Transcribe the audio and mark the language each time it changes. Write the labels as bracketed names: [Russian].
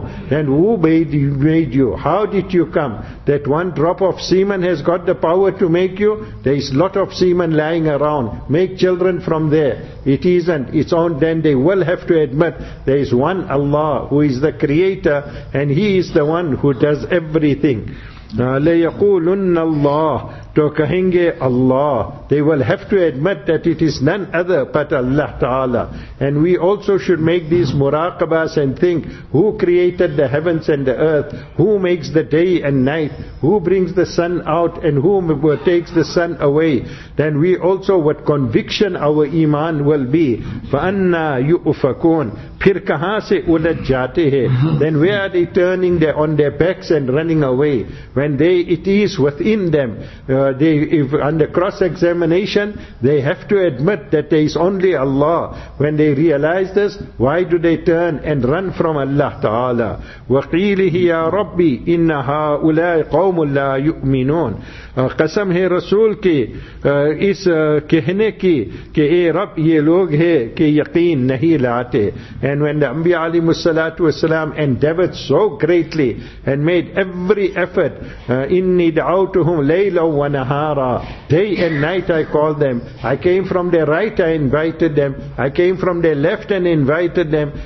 [English] And who made you? How did you come? That one drop of semen has got the power to make you? There is lot of semen lying around. Make children from there. It isn't. It's on. Then they will have to admit there is one Allah who is the creator, and he is the one who does everything. [Arabic] لَيَقُولُنَّ اللَّهُ [Urdu] تو کہیں گے اللہ. [English] They will have to admit that it is none other but Allah Ta'ala. And we also should make these muraqabas and think, who created the heavens and the earth? Who makes the day and night? Who brings the sun out and who takes the sun away? Then we also, what conviction our iman will be. [Arabic] فَأَنَّا يُؤْفَكُونَ [Urdu] پھر کہاں سے الٹ جاتے ہیں? [English] Then where are they turning on their backs and running away? When they, it is within them. If under cross-examination, they have to admit that there is only Allah. When they realize this, why do they turn and run from Allah Ta'ala? [Arabic] وَقِيلِهِ يَا رَبِّ إِنَّ هَا أُولَاءِ قَوْمٌ لَا يُؤْمِنُونَ [Urdu] قسم ہے رسول کی اس کہنے کی کہ اے رب, یہ لوگ ہیں کہ یقین نہیں لاتے. [English] And when the Anbiya alayhi salatu wasalam endeavored so greatly and made every effort, [Arabic] inni da'awtuhum layla wa nahara, [English] day and night I called them. I came from their right, I invited them. I came from their left and invited them.